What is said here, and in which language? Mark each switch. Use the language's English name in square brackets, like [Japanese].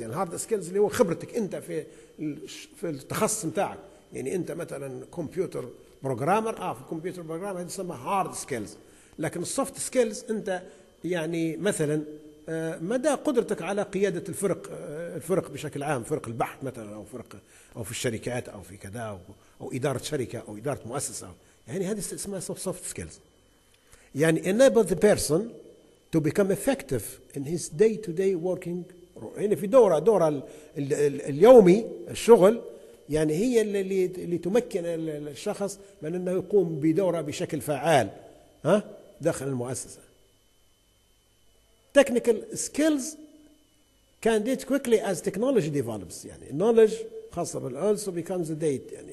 [Arabic] يعني الهارد سكيلز اللي هو خبرتك انت في التخصص متاعك، يعني انت مثلا كمبيوتر بروجرامر في كمبيوتر بروجرامر هذه تسمى هارد سكيلز، لكن السوفت سكيلز انت يعني مثلا مدى قدرتك على قيادة الفرق، الفرق بشكل عام، فرق البحث مثلا أو فرق أو في الشركات أو في كذا أو إدارة شركة أو إدارة مؤسسة، يعني هذه اسمها soft skills. [English] يعني enable the person to become effective in his day-to-day working. [Arabic] يعني في دورة اليومي الشغل، يعني هي اللي تمكن الشخص من أنه يقوم بدوره بشكل فعال داخل المؤسسة. [English] Technical skills can date quickly as technology develops. يعني knowledge [Arabic] خاصة بال [English] also becomes a date.